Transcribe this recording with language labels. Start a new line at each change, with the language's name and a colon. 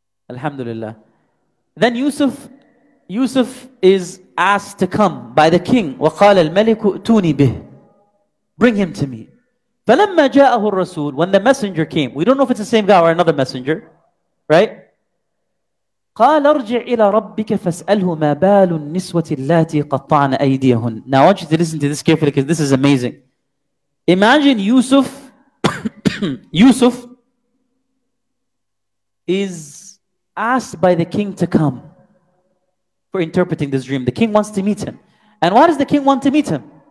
English: Alhamdulillah. Then Yusuf is asked to come by the king.
Arabic: وَقَالَ الْمَلِكُ أُتُونِي بِهِ.
English: Bring him to me.
Arabic: فَلَمَّا جَاءَهُ الرَّسُولُ.
English: When the messenger came. We don't know if it's the same guy or another messenger. Right?
Arabic: قال ارجع إلى ربك فاسأله ما بال النسوة اللاتي قطعن أيديهن.
English: Now I want you to listen to this carefully because this is amazing. Imagine Yusuf. Yusuf is asked by the king to come for interpreting this dream. The king wants to meet him. And why does the king want to meet him?